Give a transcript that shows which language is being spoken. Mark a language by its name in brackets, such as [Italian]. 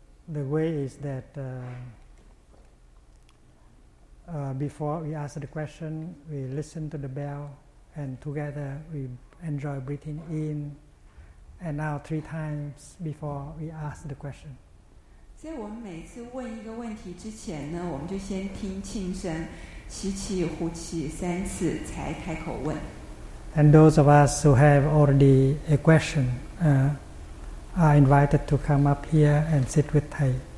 [English] The way is that before we ask the question, we listen to the bell. And together we enjoy breathing in and out three times before we ask the question. [Chinese] 所以我们每次问一个问题之前呢，我们就先听庆声，吸气呼气三次才开口问。 [English] And those of us who have already a question are invited to come up here and sit with Thay.